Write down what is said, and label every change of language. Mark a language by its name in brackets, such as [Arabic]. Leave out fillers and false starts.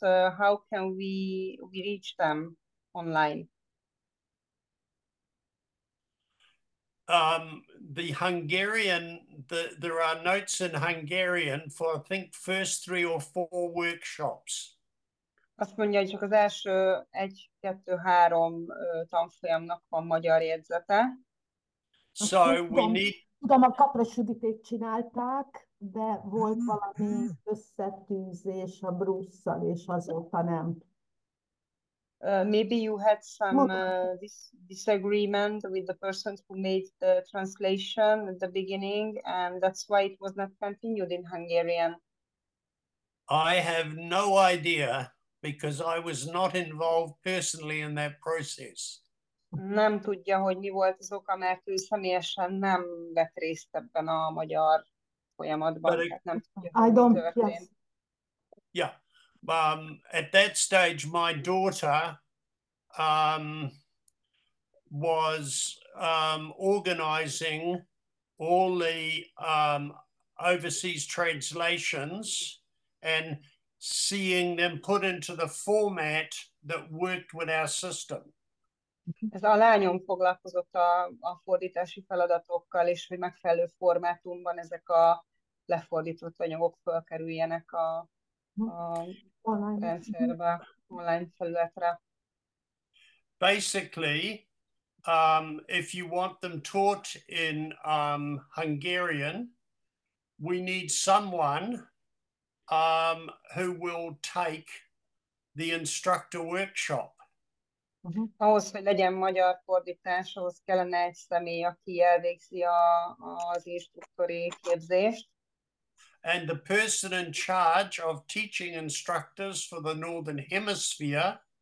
[English] How can we reach them online? The Hungarian, there are notes in Hungarian for I think first three or four workshops. [Hungarian] Azt mondja, hogy csak az első 1-2-3 tanfolyamnak van magyar jegyzete. [English] So we need. [Hungarian] Tudom, a kaprosüdítést csinálták, de volt valami összetűzés a Brusszal, és azóta nem. [English] Maybe you had some disagreement with the person who made the translation at the beginning, and that's why it was not continued in Hungarian. I have no idea, because I was not involved personally in that process. [Hungarian] Nem tudja, hogy mi volt az oka, mert ő személyesen nem vett részt ebben a magyar folyamatban. But hát nem tudja, [English] I don't, yes. Yeah. At that stage, my daughter was organizing all the overseas translations and seeing them put into the format that worked with our system. [Hungarian] Ez a lányom foglalkozott a fordítási feladatokkal, és hogy megfelelő formátumban ezek a lefordított anyagok felkerüljenek a online felületre. [English] Basically, if you want them taught in Hungarian, we need someone who will take the instructor workshop. Uh-huh. [Hungarian] Ahhoz, hogy legyen magyar fordítás, ahhoz kellene egy személy, aki elvégzi az instruktori képzést. [English] And the person in charge of teaching instructors for the Northern Hemisphere,